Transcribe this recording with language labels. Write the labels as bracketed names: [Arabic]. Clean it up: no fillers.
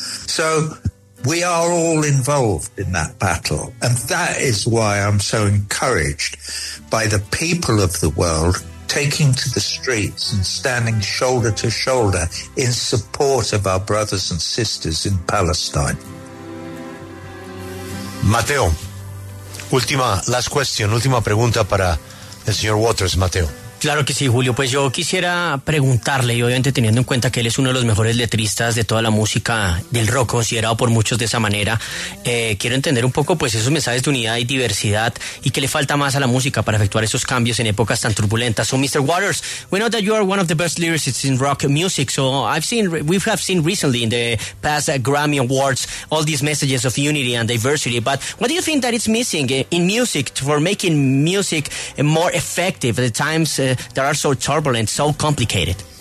[English] So we are all involved in that battle. And that is why I'm so encouraged by the people of the world taking to the streets and standing shoulder to shoulder in support of our brothers and sisters in Palestine. [Spanish] Mateo, última pregunta para el señor Waters, Mateo. Claro que sí, Julio. Pues yo quisiera preguntarle, y obviamente teniendo en cuenta que él es uno de los mejores letristas de toda la música del rock, considerado por muchos de esa manera, quiero entender un poco pues esos mensajes de unidad y diversidad y qué le falta más a la música para efectuar esos cambios en épocas tan turbulentas. [English] So, Mr. Waters, we know that you are one of the best lyricists in rock music, so we have seen recently in the past Grammy Awards all these messages of unity and diversity, but what do you think that it's missing in music for making music more effective at the times that are so turbulent, so complicated?